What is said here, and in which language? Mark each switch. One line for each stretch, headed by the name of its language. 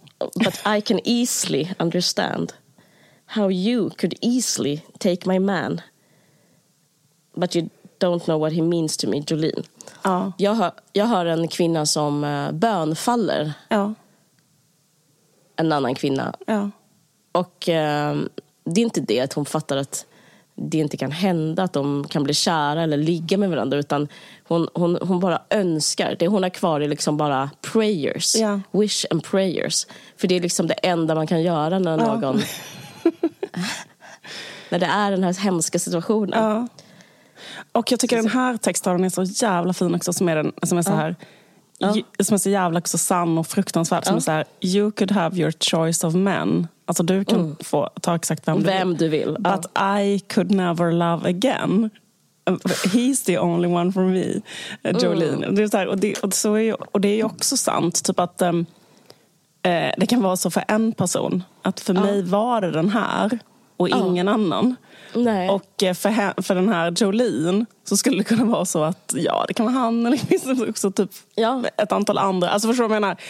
English: But I can easily understand how you could easily take my man but you don't know what he means to me, Jolene.
Swedish: Ja. Jag hör en kvinna som bönfaller. Ja. En annan kvinna. Ja. Och det är inte det att hon fattar att det inte kan hända att de kan bli kära eller ligga med varandra, utan hon bara önskar. Det hon har kvar är liksom bara prayers. Ja.
English: Wish and prayers.
Swedish: För det är liksom det enda man kan göra när någon... Ja. När det är den här hemska situationen. Ja. Och jag tycker den här texten är så jävla fin också, som är den som är så här som är så jävla också sann och fruktansvärd, som är så här:
English: you could have your choice of men.
Swedish: Alltså du kan få ta exakt vem du vill.
English: But I could never love again. He's the only one for me, Jolene.
Swedish: Det är så här, och det är ju också sant, typ att det kan vara så för en person att för mig var det den här och ingen annan. Nej. Och för den här Jolene så skulle det kunna vara så att ja, det kan vara han eller liksom också typ ett antal andra. Alltså förstår du vad jag menar?